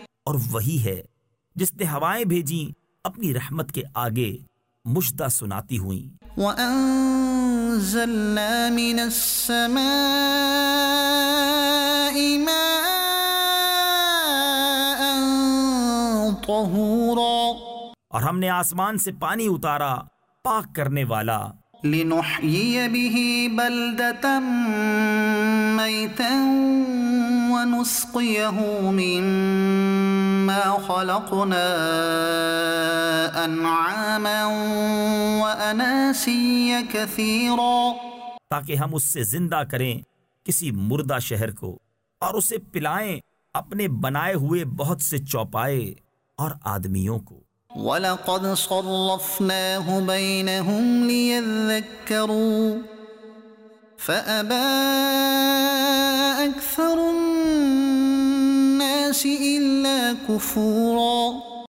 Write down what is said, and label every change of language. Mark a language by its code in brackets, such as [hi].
[ur] اور وہی ہے جس نے ہوائیں بھیجیں اپنی رحمت کے آگے مژدہ سناتی ہوئیں [ar] وَأَنْ أنزلنا من السماء ماء طهورا [ur] اور ہم نے آسمان سے پانی اتارا پاک کرنے والا [ar] لنحيي به بلدة ميتا ونسقيه مما خلقنا أنعاما وأناسيا كثيرا [ur] تاکہ ہم اس سے زندہ کریں کسی مردہ شہر کو اور اسے پلائیں اپنے بنائے ہوئے بہت سے چوپائے اور آدمیوں کو [ar] وَلَقَدْ صَرَّفْنَاهُ بَيْنَهُمْ لِيَذَّكَّرُوا فَأَبَى أَكْثَرُ النَّاسِ إِلَّا كُفُورًا